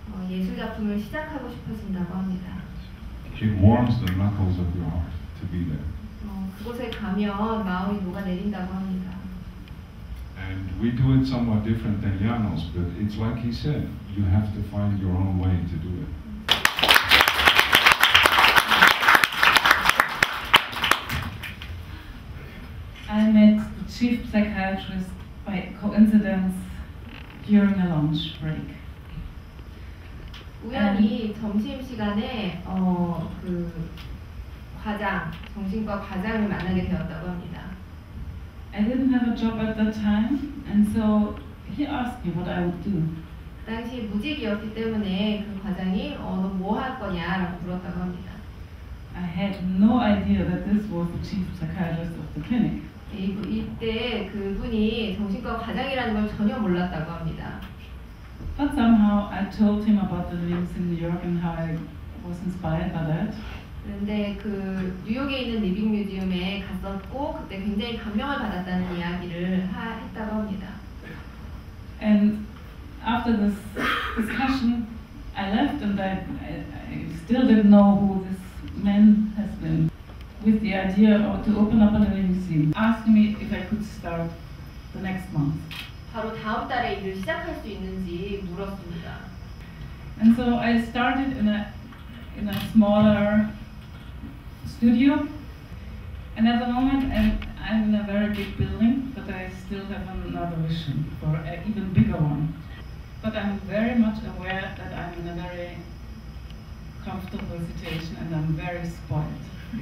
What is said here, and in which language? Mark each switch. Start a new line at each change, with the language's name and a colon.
Korean: 예술 작품을 시작하고 싶어진다고 합니다.
English: It warms the knuckles of your heart to be there.
Korean: 그곳에 가면 마음이 녹아내린다고 합니다.
English: And we do it somewhat different than Janos, but it's like he said, you have to find your own way to do it. 그 psychiatrist by coincidence during a lunch break.
Korean: 우연히 점심 시간에 그 과장 정신과 과장을 만나게 되었다고 합니다.
English: I didn't have a job at that time, and so he asked me what I would do.
Korean: 당시 무직이었기 때문에 그 과장이 너 뭐 할 거냐라고 물었다고 합니다.
English: I had no idea that this was the chief psychiatrist of the clinic.
Korean: 이때 그분이 정신과 과장이라는 걸 전혀 몰랐다고 합니다.
English: But somehow I told him about the limbs in New York and how I was inspired by that.
Korean: 그런데 그 뉴욕에 있는 리빙 뮤지엄에 갔었고 그때 굉장히 감명을 받았다는 이야기를 했다고 합니다.
English: And after this discussion, I left and I still didn't know who this man has been. With the idea to open up a living museum, asked me if I could start the next month.
Korean: 바로 다음 달에 일을 시작할 수 있는지 물었습니다.
English: And so I started in a smaller studio. And at the moment, I'm in a very big building, but I still have another vision for an even bigger one. But I'm very much aware that I'm in a very comfortable situation and I'm very spoiled.